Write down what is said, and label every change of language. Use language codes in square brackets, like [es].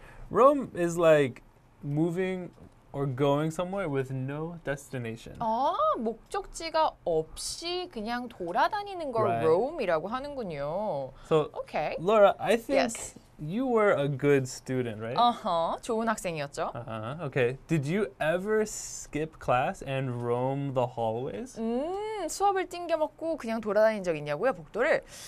[en] Roam is like moving or going somewhere with no destination. [ko] 아, 목적지가 없이 그냥 돌아다니는 걸 [en] right. [ko] roam이라고 하는군요. [en] So, okay. Laura, I think yes. You were a good student, right? [ko] Uh-huh. 좋은 학생이었죠. [en] Uh-huh. Okay. Did you ever skip class and roam the hallways? [ko] 수업을 띵겨먹고 그냥 돌아다닌 적 있냐고요, 복도를?